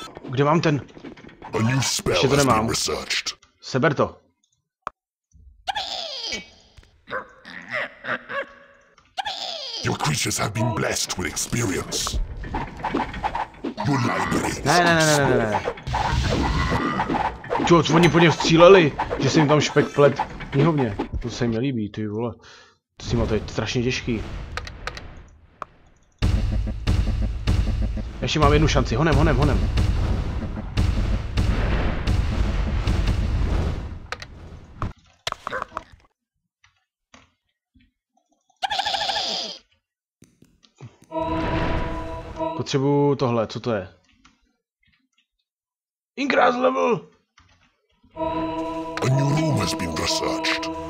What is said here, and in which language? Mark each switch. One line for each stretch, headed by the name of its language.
Czech: Kde mám ten? Ještě to nemám. Seber to.
English: Your creatures have been blessed with experience. Your library is ne.
Czech: Čo, co oni po něm stříleli? Že jsem tam špek plet knihovně. To se mi líbí, ty vole. To si má, to je strašně těžký. Ještě mám jednu šanci, honem. Potřebuju tohle, co to je?
English: Increase level! A new room has been researched.